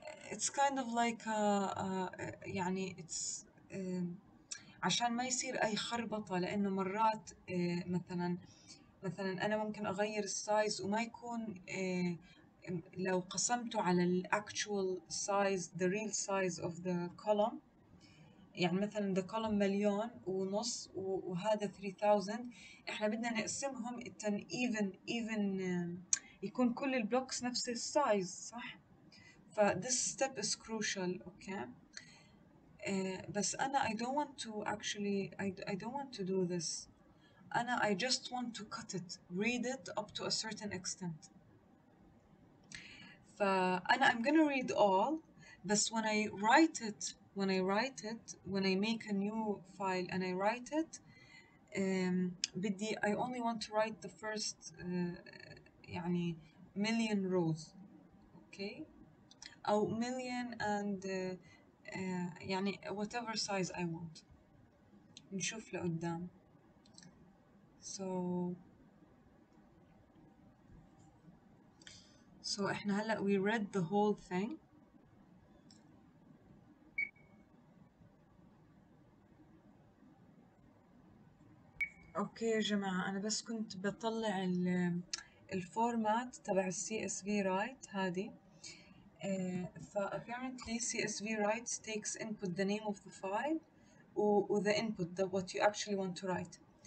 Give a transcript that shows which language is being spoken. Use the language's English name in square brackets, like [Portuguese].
[Arabic] it's kind of like يعني it's عشان ما يصير اي خربطة، لانه مرات مثلا انا ممكن اغير السايز وما يكون لو قسمته على الاكتوال سايز the real size of the column. يعني مثلا ده كولوم مليون ونص وهذا 3000، احنا بدنا نقسمهم تن even يكون كل البلوكس نفس السايز. [English] صح، ف this step is crucial. okay بس انا I don't want to actually I don't want to do this. انا I just want to cut it read it up to a certain extent. فانا I'm gonna read all بس when I write it, when I make a new file and I write it, بدي I only want to write the first يعني million rows, okay, أو million and يعني whatever size I want. [Arabic] نشوف لقدام. [English] So إحنا هلا we read the whole thing. [Arabic] اوكي يا جماعه، انا بس كنت بطلع الفورمات تبع السي اس في رايت هذه. [English] فapparently CSV writes takes input the name of the file و the input the what you actually want to write.